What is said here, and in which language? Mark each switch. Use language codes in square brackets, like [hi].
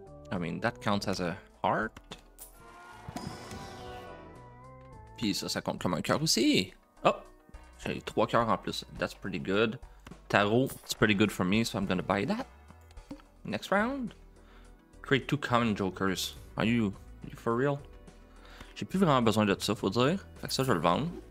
[en] I mean, that counts as a heart. [fr] Puis ça, ça compte comme un cœur aussi. Oh! J'ai trois cœurs en plus. [en] That's pretty good. Tarot, it's pretty good for me, so I'm gonna buy that. Next round. Create two common jokers. Are you, for real? [fr] J'ai plus vraiment besoin de ça, faut dire. Fait que ça, je vais le vendre.